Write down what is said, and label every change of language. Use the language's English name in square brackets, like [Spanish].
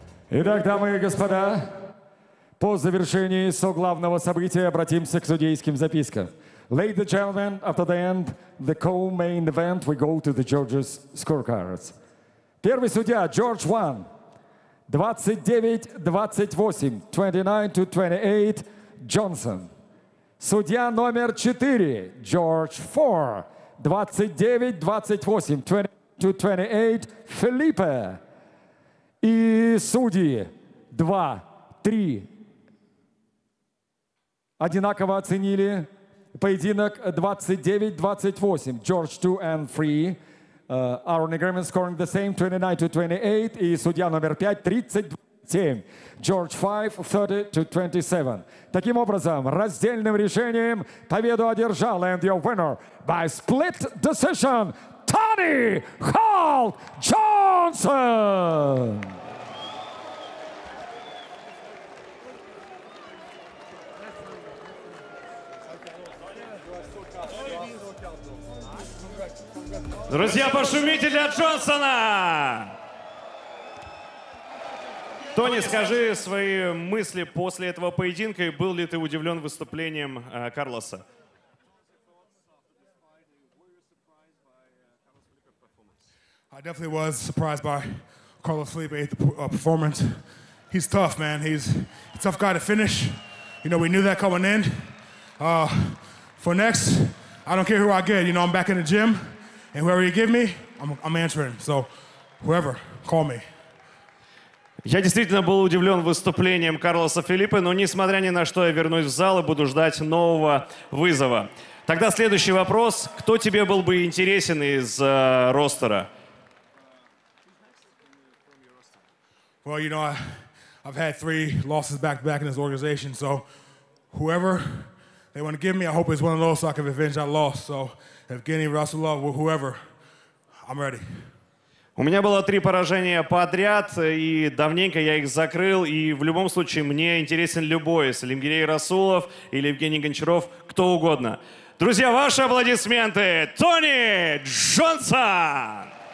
[Russian] Итак, дамы и господа, по завершении соглавного события обратимся к судейским запискам. [English] Ladies and gentlemen, after the end, the co-main event, we go to the judges' scorecards. [Russian] Первый судья, George Wan, 29-28, 29-28, Johnson. Судья номер 4, George Ford, 29-28, 28, Филиппе. И судьи 2, 3 одинаково оценили поединок 29-28. [English] George 2 and 3. Are in agreement scoring the same 29-28. [Russian] И судья номер 5, 37. [English] George 5, 30-27. [Russian] Таким образом, раздельным решением победу одержал [English] and your winner by split decision [Russian] Тони Халт Джонсон! Друзья, пошумите для Джонсона! Тони, скажи свои мысли после этого поединка, и был ли ты удивлен выступлением Карлоса? [English] I definitely was surprised by Carlos Felipe's performance. He's tough, man. He's a tough guy to finish. You know, we knew that coming in. For next, I don't care who I get. You know, I'm back in the gym, and whoever you give me, I'm answering. So, whoever, call me. [Russian] Я действительно был удивлен выступлением Карлоса Филиппе, но несмотря ни на что, я вернусь в зал и буду ждать нового вызова. Тогда следующий вопрос: кто тебе был бы интересен из ростера? [English] Well, you know, I've had three losses back-to-back in this organization, so whoever they want to give me, I hope it's one of those so I can avenge that loss. So, Evgeny, Rasulov, whoever, I'm ready. [Russian] У меня было три поражения подряд, и давненько я их закрыл, и в любом случае мне интересен любой из Лемгирей Расулов или Евгений Гончаров, кто угодно. Друзья, ваши аплодисменты, Тони Джонсон!